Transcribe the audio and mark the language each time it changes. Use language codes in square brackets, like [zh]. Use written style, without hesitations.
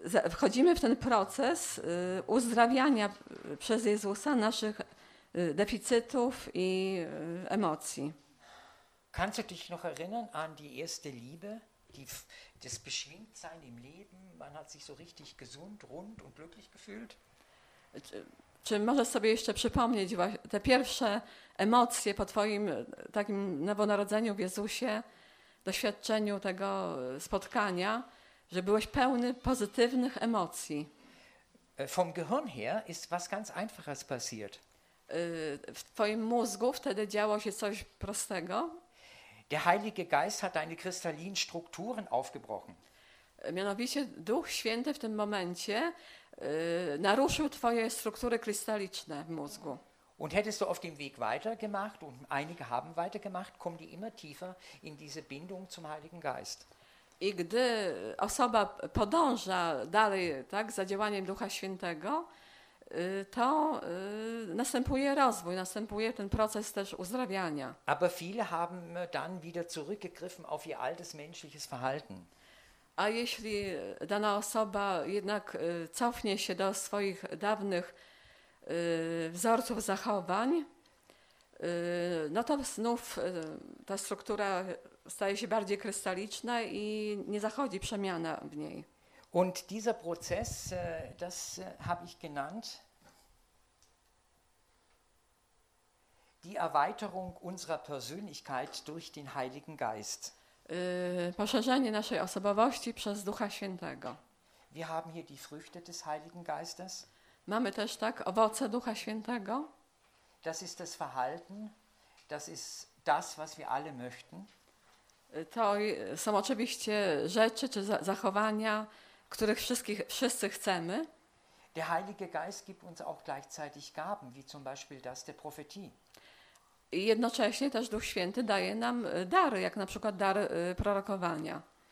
[pl] wchodzimy w ten proces uzdrawiania przez Jezusa naszych deficytów i emocji. [de] Kannst du dich noch erinnern an die erste Liebe, das Beschwingtsein im Leben? Man hat sich so richtig gesund, rund und glücklich gefühlt. [pl] Czy możesz sobie jeszcze przypomnieć te pierwsze emocje po twoim takim nowonarodzeniu w Jezusie, doświadczeniu tego spotkania, że byłeś pełny pozytywnych emocji? [de] Vom Gehirn her ist was ganz Einfaches passiert. [pl] W twoim mózgu wtedy działo się coś prostego. [de] Der Heilige Geist hat deine kristallinen Strukturen aufgebrochen. [pl] Mianowicie Duch Święty w tym momencie naruszył twoje struktury krystaliczne w mózgu. [de] Und hättest du auf dem Weg weitergemacht und einige haben weitergemacht, kommen die immer tiefer in diese Bindung zum Heiligen Geist. [pl] I gdy osoba podąża dalej, tak, za działaniem Ducha Świętego, to następuje rozwój, następuje ten proces też uzdrawiania. [de] Aber viele haben dann wieder zurückgegriffen auf ihr altes menschliches Verhalten. [pl] A jeśli dana osoba jednak cofnie się do swoich dawnych wzorców zachowań, no to znów ta struktura staje się bardziej krystaliczna i nie zachodzi przemiana w niej. [de] Und dieser Prozess, das habe ich genannt, die Erweiterung unserer Persönlichkeit durch den Heiligen Geist. [pl] Poszerzenie naszej osobowości przez Ducha Świętego. [de] Wir haben hier die Früchte des Heiligen Geistes. [pl] Mamy też tak owoce Ducha Świętego. [de] Das ist das Verhalten, das ist das, was wir alle möchten. [pl] To są oczywiście rzeczy czy zachowania, których wszyscy chcemy. [de] Der Heilige Geist gibt uns auch gleichzeitig Gaben, wie zum Beispiel das der Prophetie. [pl] I jednocześnie też Duch Święty daje nam dary, jak na przykład dar prorokowania.